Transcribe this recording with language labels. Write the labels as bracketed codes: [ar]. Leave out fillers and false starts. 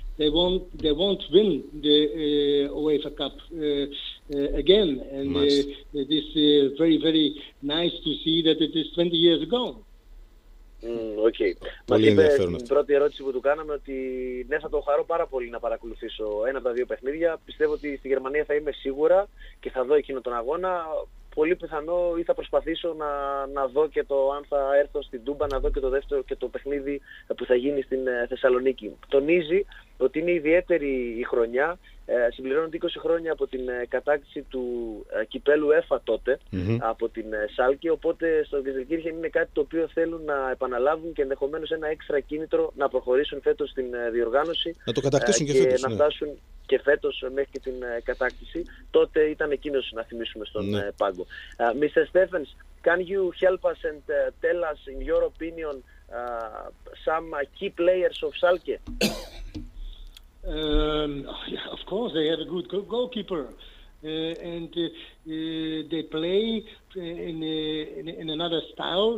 [en] They won't win the UEFA Cup again. And nice. It is very, very nice to see that it is 20 years ago. Okay. [el] Πολύ ενδιαφέρον. Την πρώτη ερώτηση που του κάναμε, ότι ναι, θα το χαρώ πάρα πολύ να παρακολουθήσω ένα από τα 2 παιχνίδια. Πιστεύω ότι στη Γερμανία θα είμαι σίγουρα και θα δω εκείνο τον αγώνα. Πολύ πιθανό ή θα προσπαθήσω να δω και το αν θα έρθω στην Τούμπα, να δω και το δεύτερο και το παιχνίδι που θα γίνει στην Θεσσαλονίκη. Τονίζει ότι είναι ιδιαίτερη η χρονιά. Συμπληρώνονται 20 χρόνια από την κατάκτηση του κυπέλου ΕΦΑ τότε, από την Σάλκη, οπότε στο Γκελσενκίρχεν είναι κάτι το οποίο θέλουν να επαναλάβουν και ενδεχομένως ένα έξτρα κίνητρο να προχωρήσουν φέτος στην διοργάνωση. Να το κατακτήσουν και φέτος. Να φτάσουν και φέτος μέχρι και την κατάκτηση. Τότε ήταν εκείνος, να θυμίσουμε, στον πάγκο. [en] Mr. Stephens, can you help us and tell us in your opinion some key players of Schalke? Of course, they have a good goalkeeper, and they play in another style.